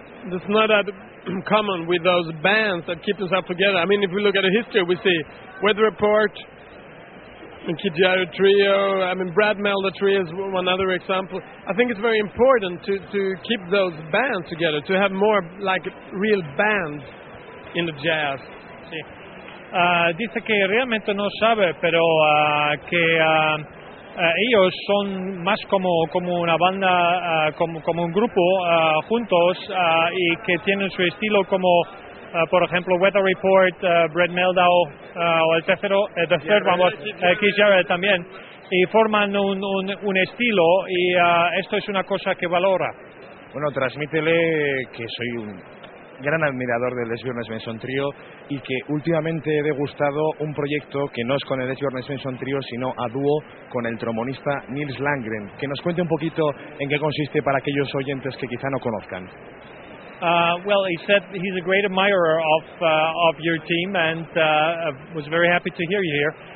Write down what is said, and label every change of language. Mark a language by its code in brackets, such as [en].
[en] It's not that common with those bands that keep themselves together. I mean, if we look at the history, we see Weather Report, and Kid Jaro Trio, I mean, Brad Melda Trio is one other example. I think it's very important to keep those bands together, to have more like real bands in the jazz. [es] Sí. Dice que realmente no sabe, pero ellos son más como una banda, como un grupo, juntos, y que tienen su estilo como, por ejemplo, Weather Report, Brad Meldau, o el tercero, The Third, vamos, Keith Jarrett también, y forman un estilo, y esto es una cosa que valora. Bueno, transmítele que soy un gran admirador del Esbjörn Svensson Trio y que últimamente he degustado un proyecto que no es con el Esbjörn Svensson Trio, sino a dúo con el trombonista Nils Landgren. Que nos cuente un poquito en qué consiste para aquellos oyentes que quizá no conozcan. [en] Well, he said he's a great admirer of your team and was very happy to hear you here.